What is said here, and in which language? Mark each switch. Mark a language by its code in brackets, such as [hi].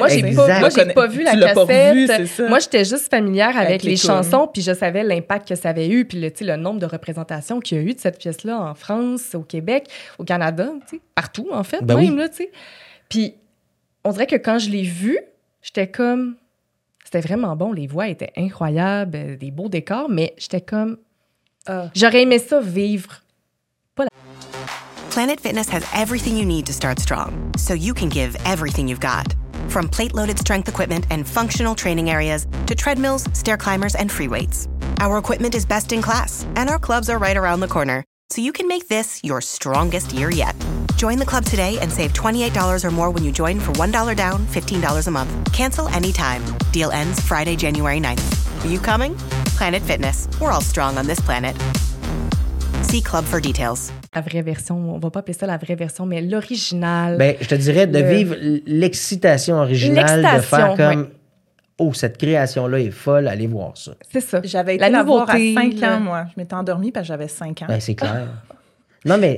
[fr] Moi, j'ai pas vu la cassette. Moi, j'étais juste familière avec les chansons, puis je savais l'impact que ça avait eu, puis le nombre de représentations qu'il y a eu de cette pièce-là en France, au Québec, au Canada, tu sais, partout, en fait, ben même, oui. Puis on dirait que quand je l'ai vue, j'étais comme... C'était vraiment bon. Les voix étaient incroyables, des beaux décors, mais j'étais comme... J'aurais aimé ça vivre. Pas la... [en] Planet Fitness has everything you need to start strong, so you can give everything you've got. From plate-loaded strength equipment and functional training areas to treadmills, stair climbers, and free weights. Our equipment is best in class, and our clubs are right around the corner, so you can make this your strongest year yet. Join the club today and save $28 or more when you join for $1 down, $15 a month. Cancel anytime. Deal ends Friday, January 9th. Are you coming? Planet Fitness. We're all strong on this planet. See club for details. [fr] La vraie version, on va pas appeler ça la vraie version, mais l'original. Ben, je te dirais de vivre l'excitation originale, l'excitation, de faire comme... Ouais. Oh, cette création-là est folle, allez voir ça. C'est ça. J'avais été la nouveauté, voir à 5 ans, moi. Je m'étais endormie parce que j'avais 5 ans. Ben, c'est clair. Non, mais.